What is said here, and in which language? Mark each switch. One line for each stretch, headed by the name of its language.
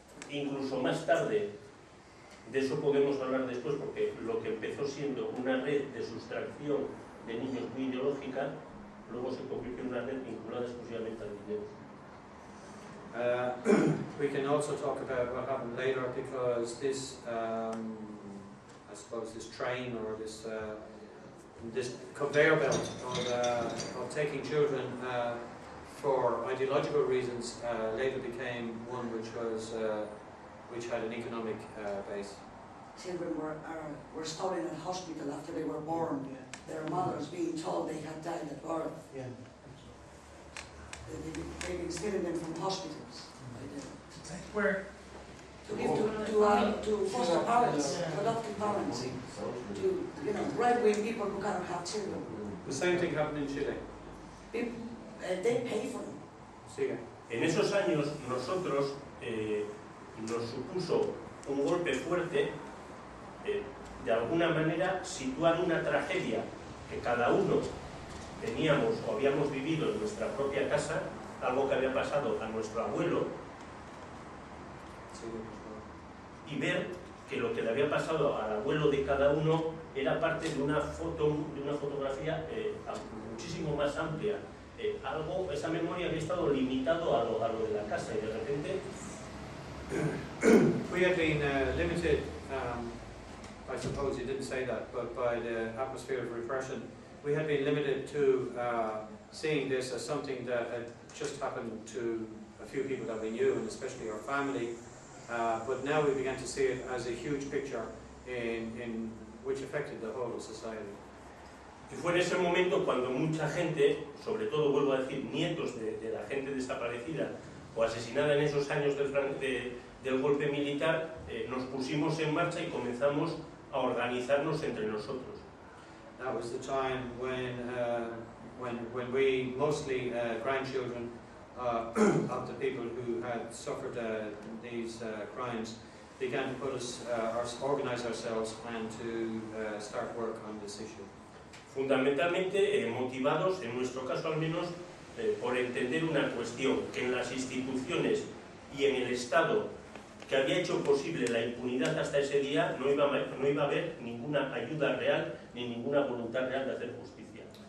Spanish: Incluso más tarde, de eso podemos hablar después, porque lo que empezó siendo una red de sustracción de niños muy ideológica, luego se convirtió en una red vinculada exclusivamente al dinero.
English: We can also talk about what happened later, because this, I suppose, this train or this this conveyor belt of taking children for ideological reasons later became one which was which had an economic base. Children were stolen in hospital after they were born. Yeah. Their mothers being told they had died at birth. Yeah. They've been stealing them from hospitals. Where? To foster parents, adoptive parents, to, you know, right-wing people who cannot have children. The same thing happened in Chile. They pay for them.
Spanish: En esos años, nosotros nos supuso un golpe fuerte, de alguna manera situar una tragedia que cada uno teníamos o habíamos vivido en nuestra propia casa, algo que había pasado a nuestro abuelo, y ver que lo que le había pasado al abuelo de cada uno era parte de una foto, de una fotografía muchísimo más amplia. Algo, esa memoria había estado limitado a lo de la casa, y de repente
English: we had been limited, I suppose you didn't say that, but by the atmosphere of repression, we had been limited to seeing this as something that had just happened to a few people that we knew, and especially our family, but now we began to see it as a huge picture in which affected the whole of society.
Spanish: Y fue en ese momento cuando mucha gente, sobre todo, vuelvo a decir, nietos de la gente desaparecida, o asesinada en esos años del golpe militar, nos pusimos en marcha y comenzamos a organizarnos entre nosotros.
English: That was the time when we, mostly grandchildren of the people who had suffered these crimes, began to organize ourselves and to start work on this issue.
Spanish: Fundamentalmente motivados, en nuestro caso al menos, por entender una cuestión, que en las instituciones y en el Estado que había hecho posible la impunidad hasta ese día, no iba a haber ninguna ayuda real ni ninguna voluntad real de hacer justicia.